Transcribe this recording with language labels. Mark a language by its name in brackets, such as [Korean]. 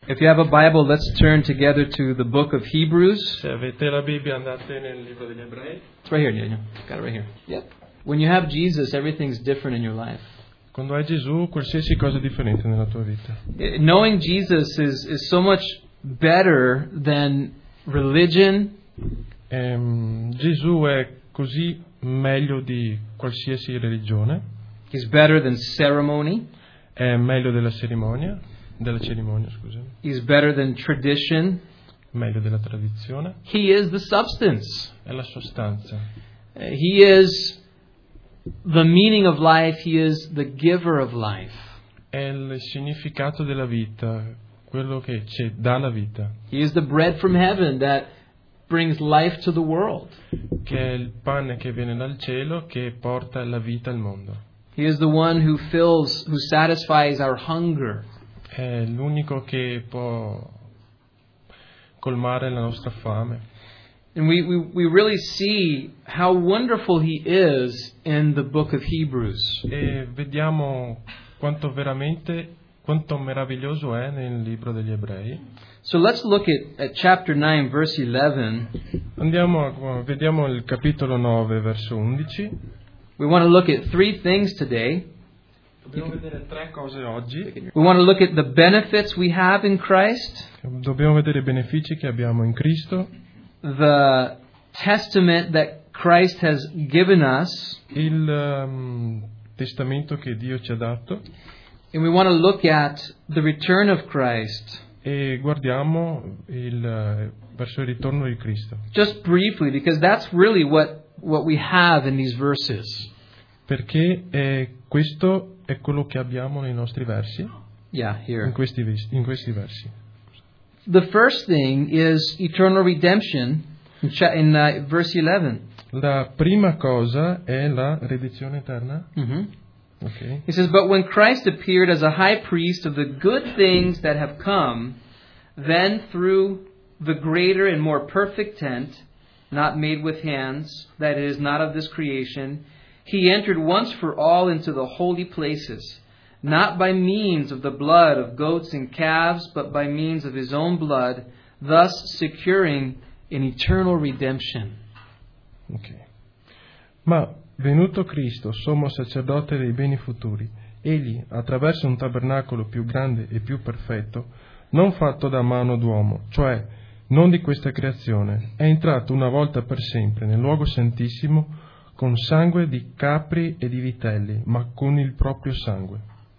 [English] If you have a Bible, let's turn together to the book of Hebrews. [Italian] Se avete la Bibbia, andate nel libro degli Ebrei. [English] It's right here, Daniel. Got it right here. Yep. When you have Jesus, everything's different in your life. [Italian] Quando hai Gesù, qualsiasi cosa è differente nella tua vita. [English] Knowing Jesus is so much better than religion. [Italian] Gesù è così meglio di qualsiasi religione. [English] He's better than ceremony. [Italian] È meglio della cerimonia. Della cerimonia, scusa. [English] He's better than tradition. [Italian] Meglio della tradizione. [English] He is the substance. [Italian] È la sostanza. [English] He is the meaning of life. He is the giver of life. [Italian] È il significato della vita, quello che ci dà la vita. [English] He is the bread from heaven that brings life to the world. [Italian] Che è il pane che viene dal cielo che porta la vita al mondo. [English] He is the one who fills, who satisfies our hunger. [Italian] È l'unico che può colmare la nostra fame. [English] And we really see how wonderful he is in the book of Hebrews. [Italian] E vediamo quanto veramente, quanto meraviglioso è nel libro degli Ebrei. [English] So let's look at chapter 9, verse 11. [Italian] Andiamo, vediamo il capitolo 9, verso 11. [English] We want to look at three things today. [Italian] Dobbiamo vedere tre cose oggi. [English] We want to look at the benefits we have in Christ. [Italian] Dobbiamo vedere i benefici che abbiamo in Cristo. [English] The testament that Christ has given us. [Italian] Il testamento che Dio ci ha dato. [English] And we want to look at the return of Christ. [Italian] E guardiamo il verso il ritorno di Cristo. [English] Just briefly, because that's really what we have in these verses. [Italian] Perché è questo è quello che abbiamo nei nostri versi. [English] Yeah, here. [Italian] In questi versi. [English] The first thing is eternal redemption in verse 11. [Italian] La prima cosa è la redenzione eterna. Mm-hmm. [English] Okay. He says, but when Christ appeared as a high priest of the good things that have come, then through the greater and more perfect tent, not made with hands, that is not of this creation, he entered once for all into the holy places, not by means of the blood of goats and calves, but by means of his own blood, thus securing an eternal redemption. Okay. [Italian] Ma venuto Cristo, sommo sacerdote dei beni futuri, egli, attraverso un tabernacolo più grande e più perfetto, non fatto da mano d'uomo, cioè non di questa creazione, è entrato una volta per sempre nel luogo santissimo, con sangue di capri e di vitelli, ma con il proprio sangue.